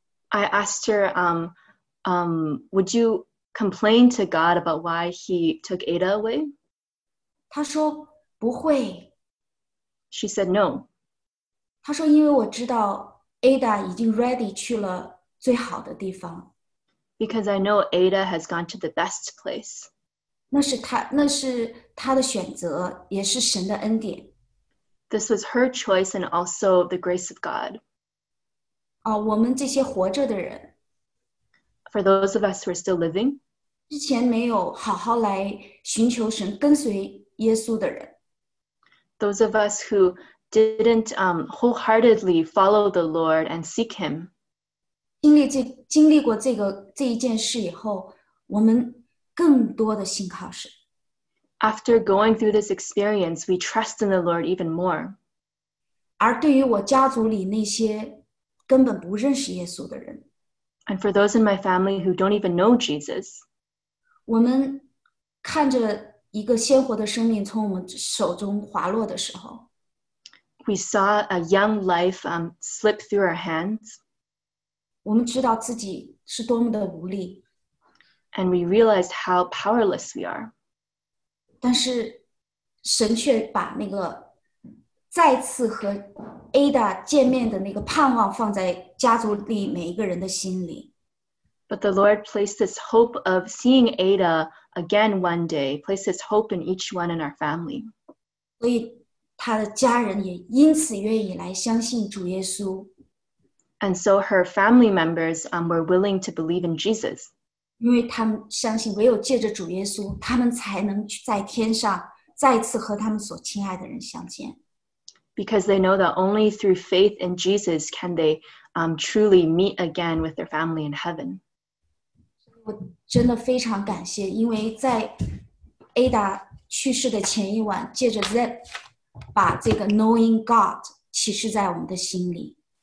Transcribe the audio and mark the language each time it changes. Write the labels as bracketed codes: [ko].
[en] I asked her, would you complain to God about why he took Ada away? [zh] 她说不会。 [en] She said no. [zh] 她说因为我知道 Ada 已经 ready 去了最好的地方。 [en] Because I know Ada has gone to the best place. [zh] 那是她的选择，也是神的恩典。 [en] This was her choice and also the grace of God. [zh] 我们这些活着的人 [en] For those of us who are still living [zh] 之前没有好好来寻求神跟随耶稣的人 [en] Those of us who didn't wholeheartedly follow the Lord and seek him [zh] 经历过这一件事以后我们更多的信靠神 [en] After going through this experience we trust in the Lord even more [zh] 而对于我家族里那些根本不认识耶稣的人。 [en] And for those in my family who don't even know Jesus, [zh] 我们看着一个鲜活的生命从我们手中滑落的时候， [en] We saw a young life slip through our hands. [zh] 我们知道自己是多么的无力。 [en] And we realized how powerless we are. [zh] 但是神却把那个再次和 Ada 见面的那个盼望放在家族里每一个人的心里。 [en] But the Lord placed this hope of seeing Ada again one day, placed this hope in each one in our family. [zh] 所以他的家人也因此愿意来相信主耶稣。 [en] And so her family members were willing to believe in Jesus. [zh] 因为他们相信唯有借着主耶稣，他们才能在天上再次和他们所亲爱的人相见。 [en] Because they know that only through faith in Jesus can they truly meet again with their family in heaven. [zh] 我真的非常感谢，因为在 Ada 去世的前一晚，借着 Zeb 把这个 [en] knowing God [zh] 启示在我们的心里。